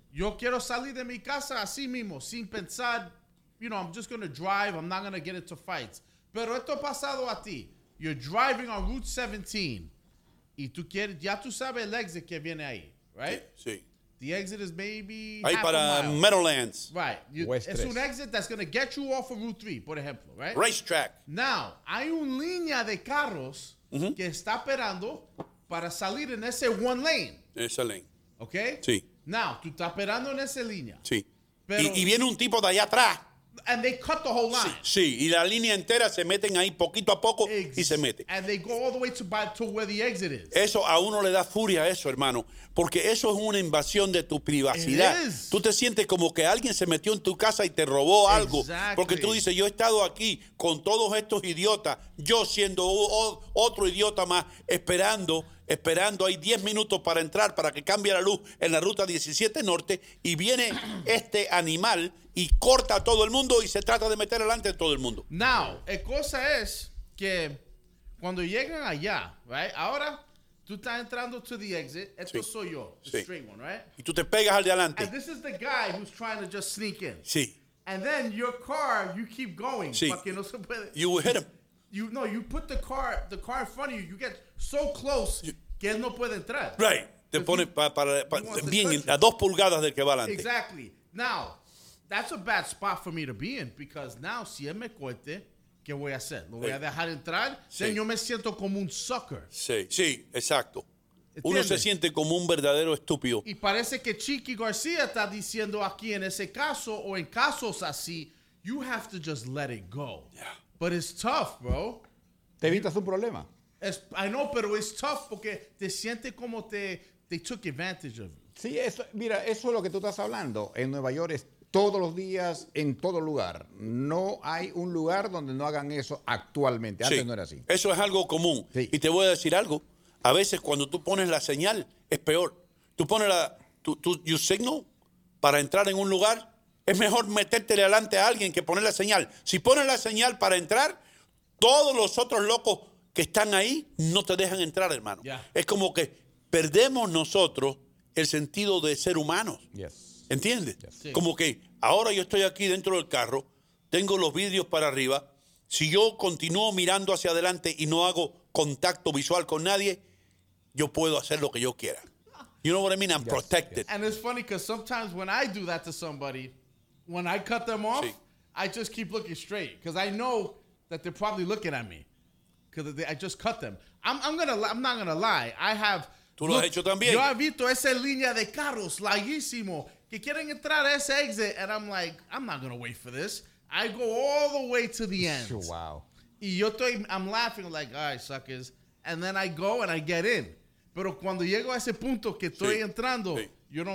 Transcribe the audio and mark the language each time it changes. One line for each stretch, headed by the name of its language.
Spanish: Yo quiero salir de mi casa así mismo, sin pensar,
English: you know, I'm just going to drive, I'm not going to get into fights.
Spanish: Pero esto ha pasado a ti.
English: You're driving on Route 17,
Spanish: y tú quieres, ya tú sabes el exit que viene ahí, right? Sí.
English: The exit is maybe
Spanish: ahí
English: half
Spanish: para
English: a mile. Meadowlands. Right. It's an exit that's going to get you off of Route 3,
Spanish: por ejemplo,
English: right? Racetrack.
Spanish: Now, hay una línea de carros que está esperando para salir en ese
English: one lane.
Spanish: Esa lane.
English: Okay?
Spanish: Sí. Now, tú estás esperando en esa línea. Sí. Pero, y viene un tipo de allá atrás.
English: And they cut the whole line.
Spanish: Sí, y la línea entera se meten ahí poquito a poco y se meten.
English: And they go all the way to where the exit is.
Spanish: Eso a uno le da furia eso, hermano, porque eso es una invasión de tu privacidad.
English: It is.
Spanish: Tú te sientes como que alguien se metió en tu casa y te robó algo.
English: Exactly.
Spanish: Porque tú dices, yo he estado aquí con todos estos idiotas, yo siendo otro idiota más, esperando hay 10 minutos para entrar, para que cambie la luz en la ruta 17 Norte, y viene este animal y corta a todo el mundo y se trata de meter delante de todo el mundo. Now, la cosa es que cuando llegan allá, right? Ahora tú estás entrando
English: to the exit,
Spanish: esto soy yo,
English: the straight one,
Spanish: right? Y tú te pegas al de adelante.
English: And this is the guy who's trying to just sneak in.
Spanish: Sí.
English: And then your car, you keep going.
Spanish: Sí. Porque no se puede.
English: You will hit him. You put the car in front of you. You get so close
Spanish: que él no puede entrar.
English: Right.
Spanish: Te pone bien a dos pulgadas del que va adelante.
English: Exactly. Now, that's a bad spot for me to be in because now,
Spanish: si él me corte, ¿qué voy a hacer? ¿Lo voy a dejar entrar? Sí. Then yo me siento como un sucker. Sí, exacto. ¿Entiendes? Uno se siente como un verdadero estúpido. Y parece que Chiqui García está diciendo aquí en ese caso o en casos así,
English: you have to just let it go. Yeah. But it's tough, bro.
Spanish: Te evitas un problema.
English: I know, pero it's tough
Spanish: porque te sientes como
English: they took advantage of you.
Spanish: Sí, eso, mira, eso es lo que tú estás hablando. En Nueva York es todos los días, en todo lugar. No hay un lugar donde no hagan eso actualmente. Antes sí, no era así. Eso es algo común. Sí. Y te voy a decir algo. A veces cuando tú pones la señal, es peor. Tú pones la...
English: you signal
Spanish: para entrar en un lugar, es mejor metértele adelante a alguien que poner la señal. Si pones la señal para entrar, todos los otros locos que están ahí no te dejan entrar, hermano.
English: Yeah.
Spanish: Es como que perdemos nosotros el sentido de ser humanos.
English: Yes.
Spanish: ¿Entiendes?
English: Yes.
Spanish: Sí. Como que ahora yo estoy aquí dentro del carro, tengo los vidrios para arriba. Si yo continúo mirando hacia adelante y no hago contacto visual con nadie, yo puedo hacer lo que yo quiera.
English: You know what I mean? I'm protected. And it's funny because sometimes when I do that to somebody, when I cut them off, sí, I just keep looking straight because I know that they're probably looking at me because I just cut them. I'm not gonna lie. I have.
Spanish: Tú lo has hecho también. Yo he visto esa línea de carros larguísimo que quieren entrar a ese exit,
English: and I'm like, I'm not gonna wait for this. I go all the way to the end. Wow.
Spanish: Y yo estoy,
English: I'm laughing like, all right, suckers, and then I go and I get in.
Spanish: Pero cuando llego a ese punto que estoy sí, entrando, sí, yo no